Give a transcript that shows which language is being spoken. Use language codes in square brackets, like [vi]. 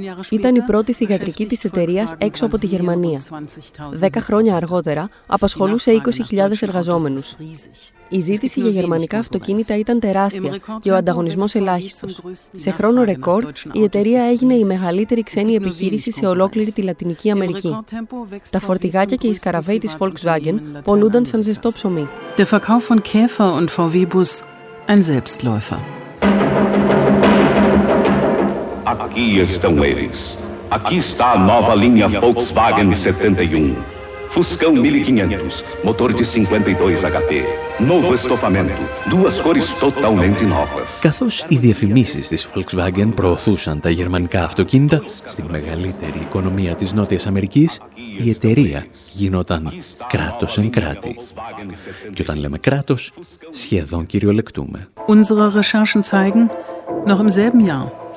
[el] Ήταν η πρώτη θυγατρική της εταιρείας έξω από τη Γερμανία. 10 χρόνια αργότερα, απασχολούσε 20.000 εργαζόμενους. Η ζήτηση για γερμανικά αυτοκίνητα ήταν τεράστια και ο ανταγωνισμός ελάχιστος. Σε χρόνο ρεκόρ, η εταιρεία έγινε η μεγαλύτερη ξένη επιχείρηση σε ολόκληρη τη Λατινική Αμερική. Τα φορτηγάκια και οι σκαραβέοι της Volkswagen πολλούνταν σαν ζεστό ψωμί. [de] Der Verkauf von Käfer und VW-Bus, ein Selbstläufer. [pt] Aquí estão eles. Aqui está a nova linha Volkswagen 71. Fuscão 1500, motor de 52 HP. Novo estofamento, duas cores totalmente novas. [el] Καθώς οι διαφημίσεις της Volkswagen προωθούσαν τα γερμανικά αυτοκίνητα στη μεγαλύτερη οικονομία της Νότιας Αμερικής, η εταιρεία γινόταν κράτος εν κράτη. Και όταν λέμε κράτος, σχεδόν κυριολεκτούμε. [de] Unsere Recherchen zeigen, noch im selben Jahr.